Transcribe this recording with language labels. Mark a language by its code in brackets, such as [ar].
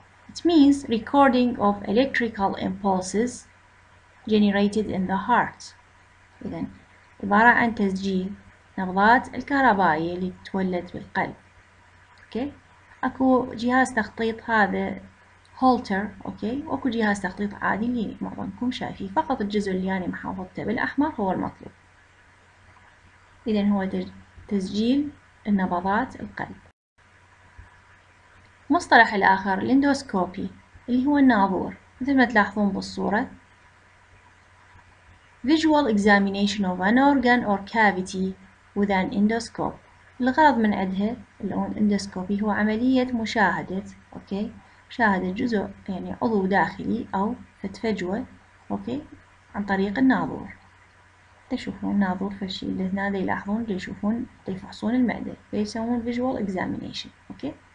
[en] It means recording of electrical impulses generated in the heart. [ar] إذن عبارة عن تسجيل نبضات الكهربائية اللي تولد بالقلب. [en] Okay. [ar] أكو جهاز تخطيط هذا هولتر. [en] Okay. [ar] وأكو جهاز تخطيط عادي اللي معظمكم شايفيه. فقط الجزء اللي أنا محافظته بالأحمر هو المطلوب. إذن هو تسجيل النبضات القلب. مصطلح الآخر الاندوسكوبي اللي هو الناظور مثل ما تلاحظون بالصورة. [en] Visual examination of an organ or cavity with an endoscope. [ar] الغرض من عدها الاندوسكوبي هو عملية مشاهدة أوكي. مشاهدة جزء يعني عضو داخلي أو فجوة أوكي. عن طريق الناظور تشوفون ناظور فشي لهنا ذي يلاحظون ليشوفون ليفحصون المعدة فيسوون visual examination أوكي.